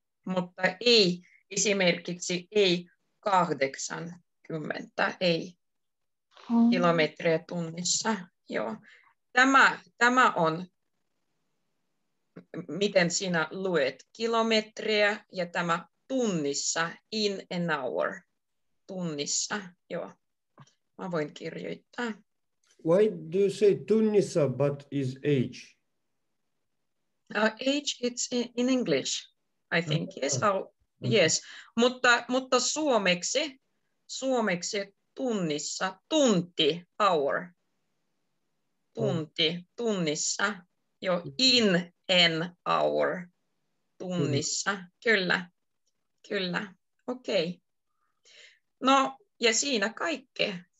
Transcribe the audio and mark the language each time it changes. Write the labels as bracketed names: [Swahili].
[Finnish] Mutta ei esimerkiksi ei 80, ei kilometriä tunnissa. Joo. Tämä on, miten sinä luet kilometriä, ja tämä tunnissa, [English] in an hour, [Finnish] tunnissa. Joo. Mä voin kirjoittaa. [English] Why do you say tunnissa, but is age? Age, it's in English, I think. Yes, yes. [Finnish] Mutta suomeksi tunnissa, tunti, [English] hour. [Finnish] Tunti, tunnissa. Jo [English] in an hour, [Finnish] tunnissa. Kyllä, kyllä. Okei. Okay. No, ja siinä kaikki.